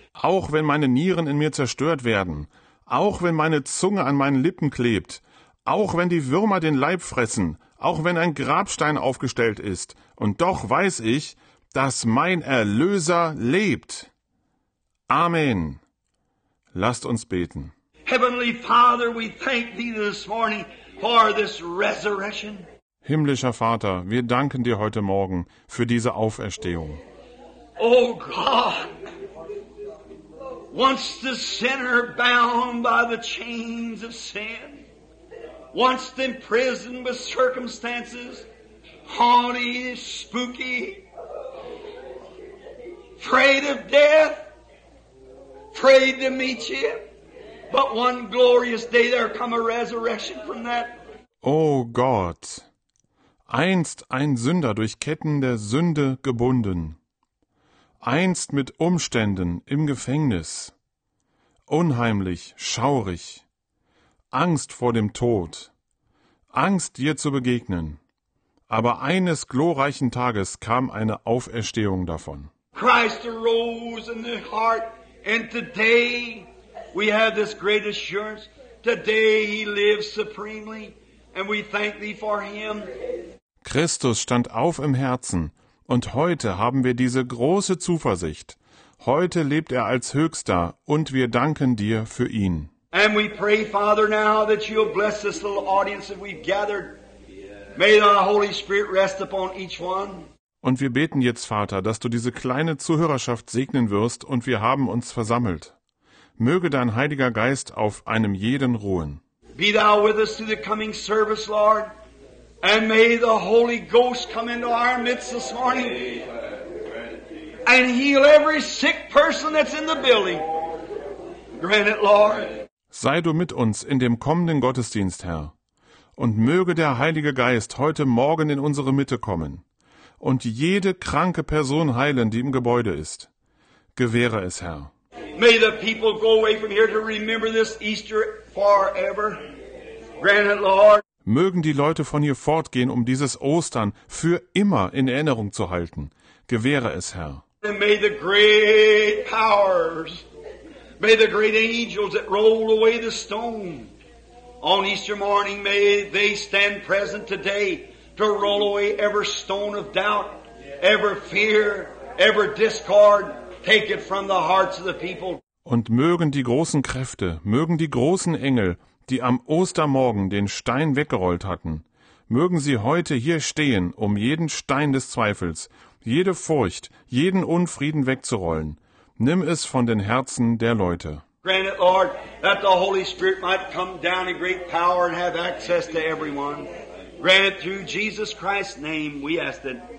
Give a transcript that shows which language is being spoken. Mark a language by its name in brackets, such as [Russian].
[German] Auch wenn meine Nieren in mir zerstört werden, auch wenn meine Zunge an meinen Lippen klebt, auch wenn die Würmer den Leib fressen, auch wenn ein Grabstein aufgestellt ist, und doch weiß ich, dass mein Erlöser lebt. Amen. Lasst uns beten. [English] Heavenly Father, we thank thee this morning for this resurrection. [German] Himmlischer Vater, wir danken dir heute Morgen für diese Auferstehung. [English] Oh God, once the sinner bound by the chains of sin, once imprisoned with circumstances, haughty, spooky, afraid of death, afraid to meet you, but one glorious day there come a resurrection from that. [German] Oh God, einst ein Sünder durch Ketten der Sünde gebunden, einst mit Umständen im Gefängnis, unheimlich, schaurig, Angst vor dem Tod, Angst, dir zu begegnen. Aber eines glorreichen Tages kam eine Auferstehung davon. [English] Christ arose in the heart, and today we have this great assurance. Today he lives supremely, and we thank thee for him. [German] Christus stand auf im Herzen, und heute haben wir diese große Zuversicht. Heute lebt er als Höchster, und wir danken dir für ihn. [English] And we pray, Father, now that you'll bless this little audience that we've gathered. May the Holy Spirit rest upon each one. [German] Und wir beten jetzt, Vater, dass du diese kleine Zuhörerschaft segnen wirst, und wir haben uns versammelt. Möge dein Heiliger Geist auf einem jeden ruhen. [English] Be thou with us through the coming service, Lord. And may the Holy Ghost come into our midst this morning and heal every sick person that's in the building. Grant it, Lord. [German] Sei du mit uns in dem kommenden Gottesdienst, Herr. Und möge der Heilige Geist heute Morgen in unsere Mitte kommen und jede kranke Person heilen, die im Gebäude ist. Gewähre es, Herr. [English] May the people go away from here to remember this Easter forever. Grant it, Lord. [German] Mögen die Leute von hier fortgehen, um dieses Ostern für immer in Erinnerung zu halten. Gewähre es, Herr. [English] And may the great powers, may the great angels that roll away the stone on Easter morning, may they stand present today to roll away every stone of doubt, every fear, every discord, take it from the hearts of the people. [German] Und mögen die großen Kräfte, mögen die großen Engel, die am Ostermorgen den Stein weggerollt hatten, mögen sie heute hier stehen, um jeden Stein des Zweifels, jede Furcht, jeden Unfrieden wegzurollen. Nimm es von den Herzen der Leute. [English] Grant it, Lord, that the Holy Spirit might come down in great power and have access to everyone. Grant it through Jesus Christ's name, we ask it.